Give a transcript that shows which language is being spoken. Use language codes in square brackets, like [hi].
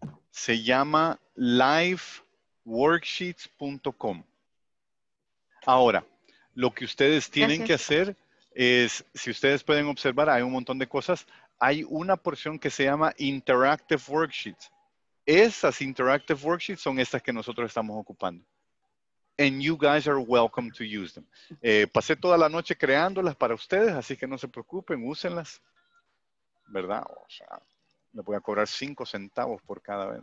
[es] Se llama lifeworksheets.com. Ahora, lo que ustedes tienen que hacer es, si ustedes pueden observar, hay un montón de cosas. Hay una porción que se llama Interactive Worksheets. Esas Interactive Worksheets son estas que nosotros estamos ocupando. [en] And you guys are welcome to use them. [es] Pasé toda la noche creándolas para ustedes, así que no se preocupen, úsenlas. ¿Verdad? O sea, le voy a cobrar 5 centavos por cada vez.